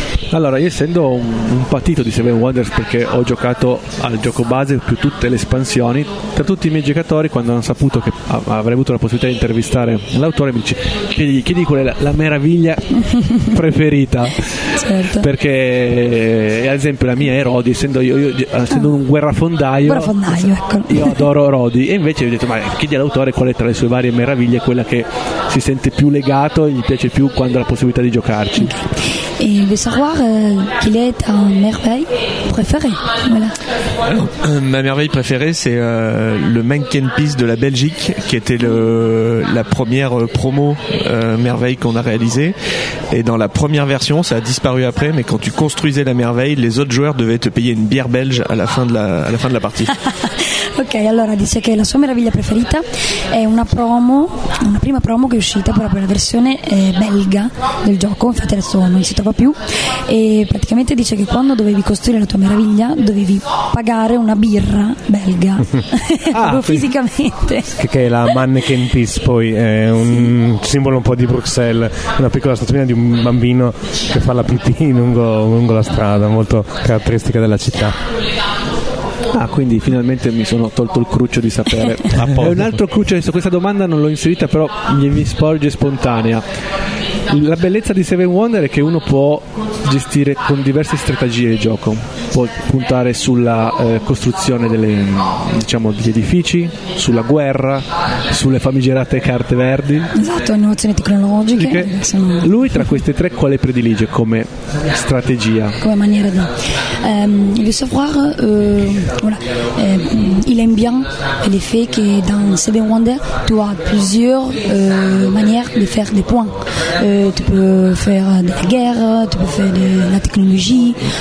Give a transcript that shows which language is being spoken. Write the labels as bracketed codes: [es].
[it] Allora, io essendo un patito di Seven Wonders, perché ho giocato al gioco base più tutte le espansioni, tra tutti i miei giocatori, quando hanno saputo che avrei avuto la possibilità di intervistare l'autore, mi dice: chiedi qual è la meraviglia preferita. Certo. Perché ad esempio la mia è Rodi, essendo un guerrafondaio, ecco. Io adoro Rodi, e invece ho detto: ma chiedi all'autore qual è tra le sue varie meraviglie quella che si sente più legato e gli piace più quando ha la possibilità di giocarci. [fr] Et de savoir quelle est ta merveille préférée. Voilà. Alors, ma merveille préférée, c'est le Manneken Pis de la Belgique, qui était la première promo merveille qu'on a réalisée. Et dans la première version, ça a disparu après, mais quand tu construisais la merveille, les autres joueurs devaient te payer une bière belge à la fin de la partie. [it] Ok, allora dice che la sua meraviglia preferita è una promo, una prima promo che è uscita proprio la versione belga del gioco, infatti adesso non si trova più, e praticamente dice che quando dovevi costruire la tua meraviglia dovevi pagare una birra belga. Ah, fisicamente. Che è la Manneken Pis, poi è un simbolo un po' di Bruxelles, una piccola statuina di un bambino che fa la pipì lungo la strada, molto caratteristica della città. Ah, quindi finalmente mi sono tolto il cruccio di sapere. Apposta. È un altro cruccio, questa domanda non l'ho inserita, però mi sporge spontanea. La bellezza di Seven Wonders è che uno può gestire con diverse strategie il gioco, può puntare sulla costruzione delle, diciamo, degli edifici, sulla guerra, sulle famigerate carte verdi. Esatto, innovazioni tecnologiche. Che, lui tra queste tre quale predilige come strategia? Come maniera di... [fr] Le savoir, voilà, il aime bien le fait que dans Seven Wonders tu as plusieurs manières de faire des points. Tu peux faire de la guerre, tu peux faire de la technologie.